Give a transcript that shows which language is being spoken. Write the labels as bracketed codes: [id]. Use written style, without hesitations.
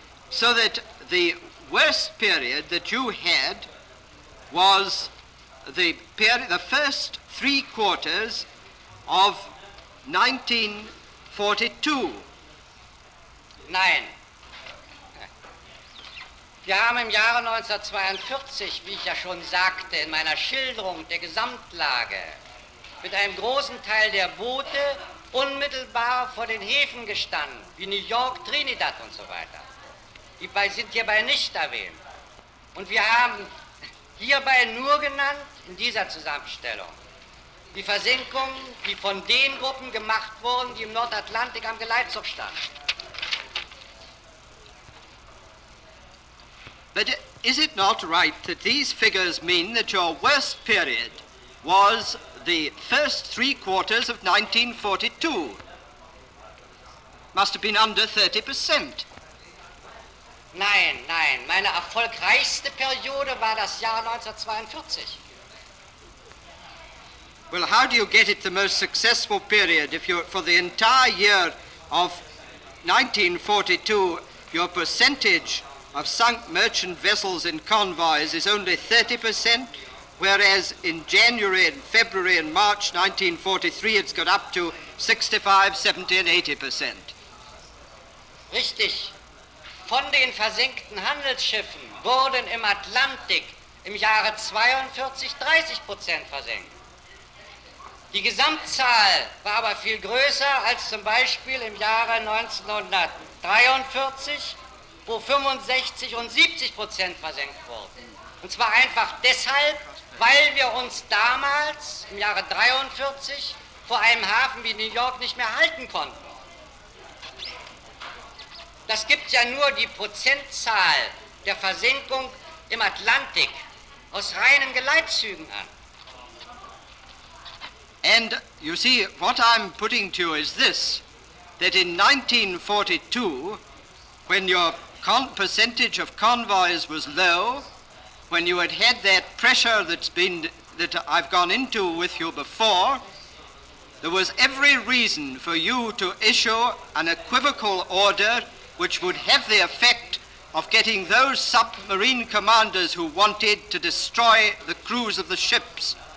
[en] So that the worst period that you had was the first three quarters of 1942. [de] Nein. Wir haben im Jahre 1942, wie ich ja schon sagte, in meiner Schilderung der Gesamtlage mit einem großen Teil der Boote unmittelbar vor den Häfen gestanden, wie New York, Trinidad und so weiter. Die sind hierbei nicht erwähnt. Und wir haben hierbei nur genannt, in dieser Zusammenstellung, die Versenkungen, die von den Gruppen gemacht wurden, die im Nordatlantik am Geleitzug standen. [en] But is it not right that these figures mean that your worst period was the first three quarters of 1942? Must have been under 30%. [de] Nein, meine erfolgreichste Periode war das Jahr 1942. [en] Well, how do you get it the most successful period if you're, for the entire year of 1942, your percentage of sunk merchant vessels in convoys is only 30%, whereas in January and February and March 1943, it's got up to 65, 70 and 80%. [de] Richtig. Von den versenkten Handelsschiffen wurden im Atlantik im Jahre 42 30% versenkt. Die Gesamtzahl war aber viel größer als zum Beispiel im Jahre 1943, wo 65 und 70% versenkt wurden. Und zwar einfach deshalb, weil wir uns damals im Jahre 43 vor einem Hafen wie New York nicht mehr halten konnten. Das gibt ja nur die Prozentzahl der Versenkung im Atlantik aus reinen Geleitzügen an. [en] And you see, what I'm putting to you is this, that in 1942, when your percentage of convoys was low, when you had had that pressure that I've gone into with you before, there was every reason for you to issue an equivocal order which would have the effect of getting those submarine commanders who wanted to destroy the crews of the ships.